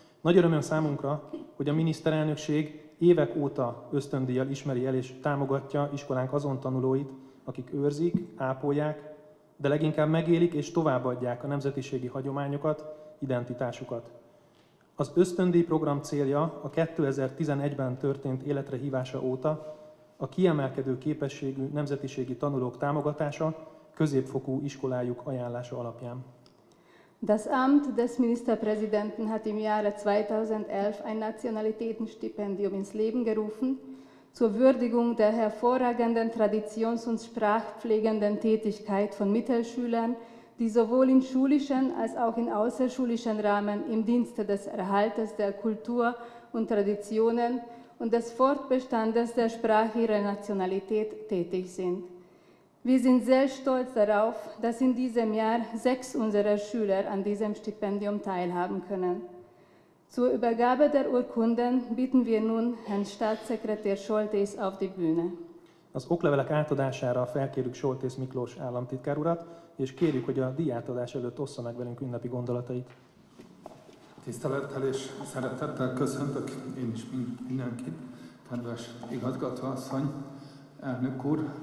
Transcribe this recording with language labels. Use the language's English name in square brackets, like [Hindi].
[Hungarian] Nagy öröm számunkra, hogy a miniszterelnökség évek óta ösztöndíjjal ismeri el és támogatja iskolánk azon tanulóit, akik őrzik, ápolják, de leginkább megélik és továbbadják a nemzetiségi hagyományokat, identitásukat. Az ösztöndíj program célja a 2011-ben történt életre hívása óta a kiemelkedő képességű nemzetiségi tanulók támogatása középfokú iskolájuk ajánlása alapján. [German] Das Amt des Ministerpräsidenten hat im Jahre 2011 ein Nationalitätenstipendium ins Leben gerufen zur Würdigung der hervorragenden traditions- und sprachpflegenden Tätigkeit von Mittelschülern, die sowohl in schulischen als auch in außerschulischen Rahmen im Dienste des Erhaltes der Kultur und Traditionen und des Fortbestandes der Sprache ihrer Nationalität tätig sind. Wir sind sehr stolz darauf, dass in diesem Jahr 6 unserer Schüler an diesem Stipendium teilhaben können. Zur Übergabe der Urkunden bitten wir nun Herrn Staatssekretär Soltész auf die Bühne. [Hungarian] Az oklevelek átadására felkérjük Soltész Miklós államtitkár urat, és kérjük, hogy a díjátadás előtt ossza meg velünk ünnepi gondolatait. Tisztelettel és szeretettel köszöntök én is mindenkit, kedves igazgatóasszony, elnök úr,